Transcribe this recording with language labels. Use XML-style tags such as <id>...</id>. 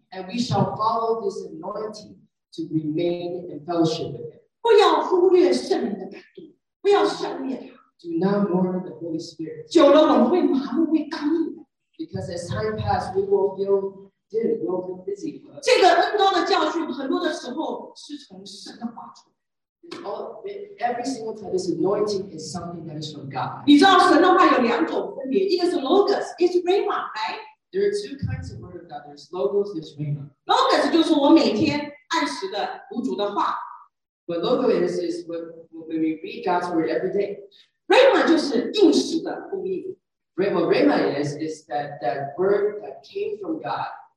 <en>And we shall follow this anointing to remain in fellowship with him.</en> <zh>不要忽略圣灵的感动，不要消灭它。Do</zh> <en>not mourn the Holy Spirit.</en> <zh>久了我们会麻木，会刚硬的。Because</zh> <en>as time passes, we will feel dim, we will feel busy.</en> <zh>这个恩膏的教训，很多的时候是从神的话出来。Every</zh> <en>single time, this anointing is something that is from God.</en> <zh>你知道神的话有两种分别，一个是 logos, 一个是 rhema, right?</zh> <en>There are two kinds of word of God. There's logos, there's rhema.</en> <zh>Logos 就是我每天按时的读主的话。</zh> <en>But logo is when we read God's word every day.</en> <zh>Rhema 就是应时的供应.</zh> <en>Rhema is that word that came from God</en>